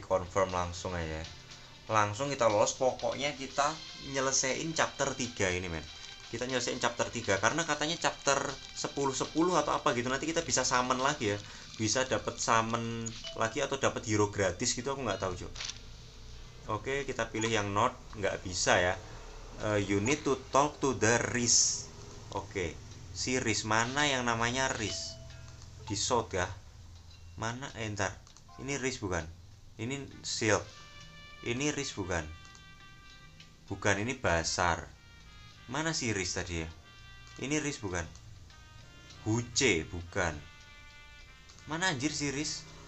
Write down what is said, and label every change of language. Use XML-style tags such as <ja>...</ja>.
<id>Confirm langsung aja. Langsung kita lolos. Pokoknya kita nyelesain chapter 3 ini men. Kita nyelesain chapter 3 karena katanya chapter 10-10 atau apa gitu nanti kita bisa summon lagi ya, bisa dapat summon lagi atau dapat hero gratis gitu, aku nggak tahu cok. Oke kita pilih yang not, nggak bisa ya.</id> <en>You need to talk to the Riz.</en> <id>Oke si Riz mana yang namanya Riz di shot ya, mana entar ini Riz bukan, ini Silk, ini Riz bukan, bukan ini Basar. Mana si Riz tadi ya? Ini Riz bukan? Huce bukan? Mana anjir si Riz?</id>